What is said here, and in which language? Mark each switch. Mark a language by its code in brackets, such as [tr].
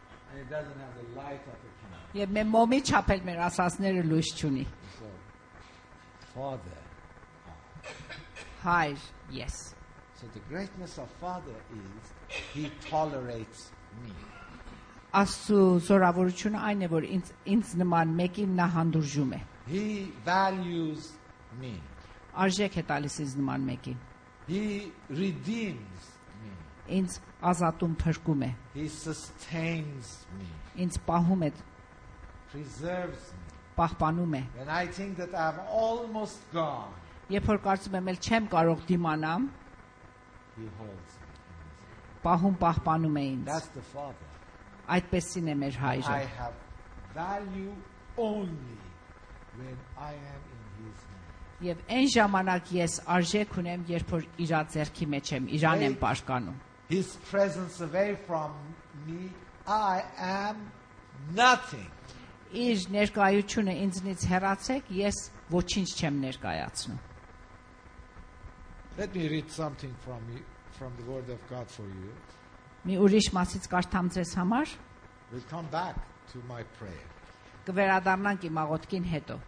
[en] And it doesn't have the light of the Canaan. [hy] Եվ մեր մոմի չափել մեր ասասները լույս չունի։ [en] Father. [hy] Հայր, yes. [en] So the greatness of Father is he tolerates me. [hy] Աստծո զորավորությունը այն է, որ ինձ նման մեկին նա հանդուրժում է։ [en] He values me. [hy] Արժեք է տալիս ինձ նման մեկին։ [en] He redeems me. [hy] Ինձ ազատում փրկում է։ [en] He sustains me. [hy] Ինձ պահում է։ [en] Preserves me. [hy] Պահպանում է։ [en] When I think that I have almost gone. [hy] Երբ որ կարծում եմ, ել չեմ կարող դիմանամ։ [en] He holds me. [hy] Պահում պահպանում է ինձ։ [en] That's the Father. [hy] Այդպեսին է մեր հայրը. [en] I have value only when I am in his hands. [hy] Եվ այն ժամանակ ես արժեք ունեմ, երբ որ իրա ձեռքի մեջ եմ, իրան եմ պաշտպանում։ [en] His presence away from me, I am nothing. [hy] Իր ներկայությունը ինձնից հեռացեք, ես ոչինչ չեմ ներկայացնում։ [en] Let me read something from you, from the word of God for you. [hy] Մի ուրիշ մասից կարդամ ձեզ համար։ [en] We'll come back to my prayer. [hy] Կվերադառնանք իմ աղոթքին հետո։